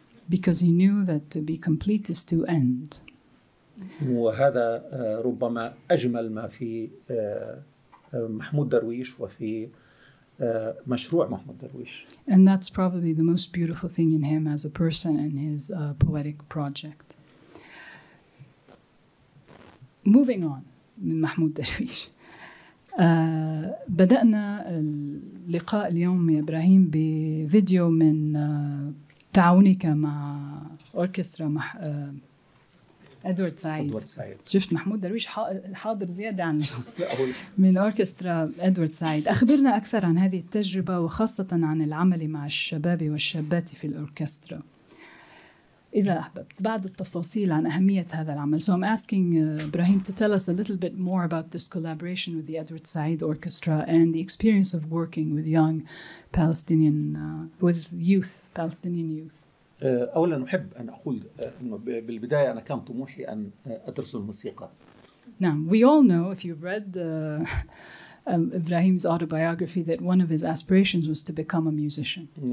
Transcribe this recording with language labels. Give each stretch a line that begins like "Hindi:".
English: Because he knew that to be complete is to end.
Arabic: وهذا ربما أجمل ما في محمود درويش وفي مشروع محمود درويش.
English: And that's probably the most beautiful thing in him as a person and his poetic project. Moving on
Arabic: من محمود درويش. بدأنا اللقاء اليوم يا إبراهيم بفيديو من تعاونك مع أوركسترا أدوارد سعيد. شفت محمود درويش حاضر زيادة عن من أوركسترا أدوارد سعيد. أخبرنا أكثر عن هذه التجربة وخاصة عن العمل مع الشباب والشابات في الأوركسترا. إذا أحببت بعض التفاصيل عن أهمية هذا العمل.
English: So I'm asking Ibrahim to tell us a little bit more about this collaboration with the Edward Said Orchestra and the experience of working with young Palestinian, with youth, Palestinian youth.
Arabic: أولاً أحب أن أقول إنه بالبداية أنا كان طموحي أن أدرس الموسيقى.
English: Now, we all know, if you've read Ibrahim's autobiography, that one of his aspirations was to become a musician.